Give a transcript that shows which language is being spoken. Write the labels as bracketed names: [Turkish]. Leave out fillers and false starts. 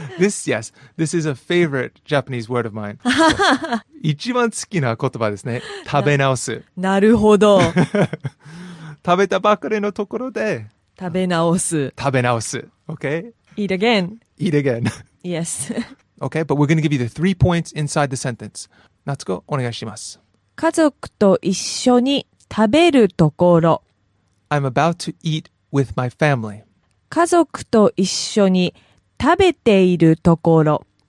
[English] This is a favorite Japanese word of mine. [Japanese] 一番好きな言葉ですね。食べ直す。なるほど。食べたばかりのところで。食べ直す。食べ直す。Okay? [English] Eat again. Eat again. Yes. Okay, but we're going to give you the 3 points inside the sentence. [Japanese] 夏子、お願いします。家族と一緒に食べるところ。 [English] I'm about to eat with my family. [Japanese] 家族と一緒に食べているところ。